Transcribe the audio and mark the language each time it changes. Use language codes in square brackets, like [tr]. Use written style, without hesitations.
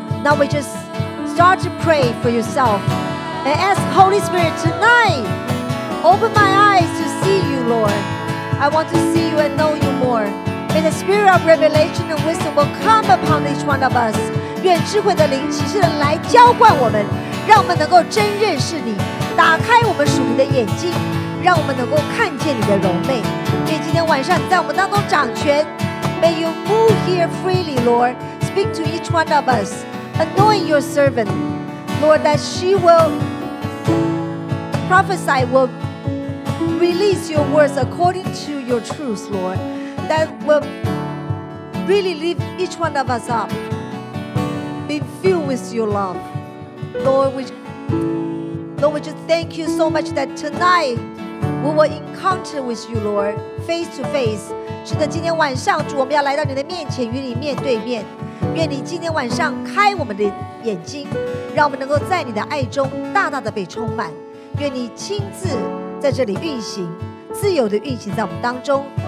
[en] Now we just start to pray for yourself and ask Holy Spirit tonight, open my eyes to see you, Lord. I want to see you and know you more. May the Spirit of revelation and wisdom will come upon each one of us. [zh] 愿智慧的灵启示的来浇灌我们，让我们能够真认识你，打开我们属灵的眼睛，让我们能够看见你的荣美。愿今天晚上你在我们当中掌权。 [en] May you move here freely, Lord. Speak to each one of us. Anoint your servant, Lord, that she will prophesy, will release your words according to your truth, Lord, that will really lift each one of us up. Be filled with your love. Lord, we just thank you so much that tonight we will encounter with you, Lord, face to face. [zh] 是的，今天晚上主，我们要来到你的面前，与你面对面。愿你今天晚上开我们的眼睛，让我们能够在你的爱中大大的被充满。愿你亲自在这里运行，自由的运行在我们当中。